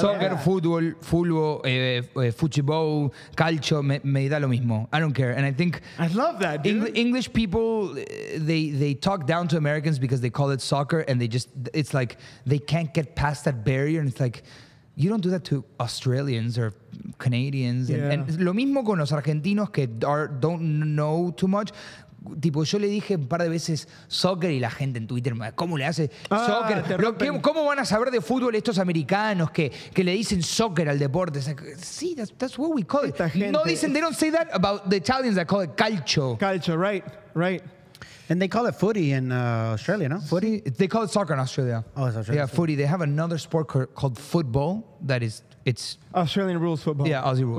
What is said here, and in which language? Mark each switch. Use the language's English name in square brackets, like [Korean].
[English] Soccer, football, futebol, calcio, [Spanish] me da lo mismo. [English] I don't care. And I think I love that, dude. English people, they talk down to Americans because they call it soccer, and they just it's like they can't get past that barrier, and it's like. You don't do that to Australians or Canadians. Yeah. And [Spanish] lo mismo con los argentinos que [English] don't know too much. [Spanish] Tipo, yo le dije un par de veces soccer y la gente en Twitter, ¿cómo le hace soccer? ¿Cómo van a saber de fútbol estos americanos que le dicen soccer al deporte? [English] Like, [Spanish] sí, [English] that's what we call [Spanish] esta [English] it. [Spanish] Gente. No dicen, [English] they don't say that about the Italians that call it calcio. Calcio, right, right. And they call it footy in Australia, no? Footy? They call it soccer in Australia. Oh, it's Australia. Yeah, footy. They have another sport called football that is... it's Australian rules football. Yeah, Aussie rules.